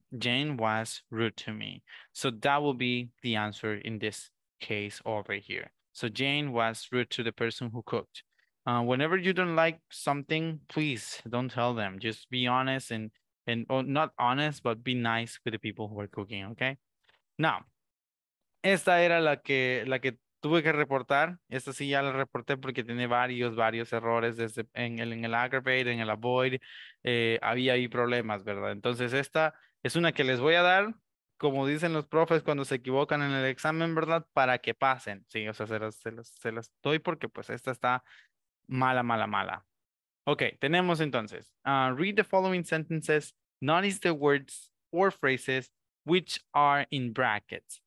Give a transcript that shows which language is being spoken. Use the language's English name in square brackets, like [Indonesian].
[English] Jane was rude to me. So that will be the answer in this case over here. So Jane was rude to the person who cooked. Whenever you don't like something, please don't tell them. Just be honest and be nice with the people who are cooking, okay? [Spanish] Now, esta era la que tuve que reportar. Esta sí ya la reporté porque tiene varios errores desde en el aggravate, en el avoid. Había ahí problemas, ¿verdad? Entonces, esta es una que les voy a dar, como dicen los profes cuando se equivocan en el examen, ¿verdad? Para que pasen, ¿sí? O sea, se las doy porque pues esta está mala, mala, mala. [English] Okay, [Spanish] tenemos entonces. [English] Read the following sentences. Notice the words or phrases which are in brackets.